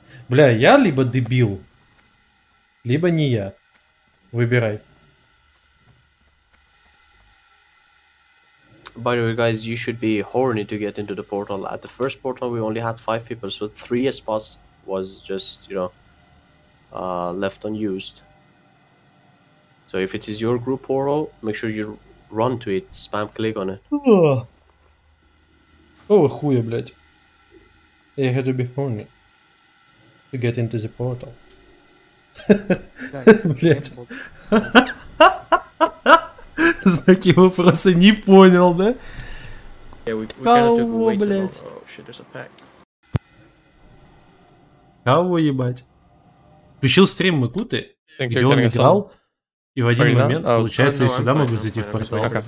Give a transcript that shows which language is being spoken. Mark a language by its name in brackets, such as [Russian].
[Russian] Бля, я либо дебил, либо не я. Выбирай. [English] By the way, guys, you should be horny to get into the portal. At the first portal, we only had 5 people, so 3 spots was just, you know, left unused. So if it is your group portal, make sure you run to it, spam click on it. [Russian] Oh, хуя, блядь. [English] You had to be horny to get into the portal. [Russian] Знаки вопроса не понял, да? Кого, блять? Кого ебать? Включил стрим Макуты, где он играл, и в один момент, получается, я сюда могу зайти в портал.